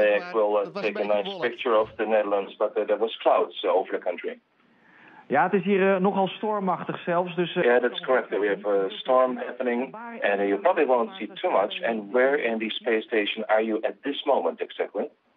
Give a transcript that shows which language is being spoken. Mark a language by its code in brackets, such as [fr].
[en] And I will take a nice picture of the Netherlands, but there was clouds over the country. [nl] Ja, het is hier nogal stormachtig zelfs. Dus, [en] yeah, that's correct. We have a storm happening and you probably won't see too much. And where in the space station are you at this moment exactly?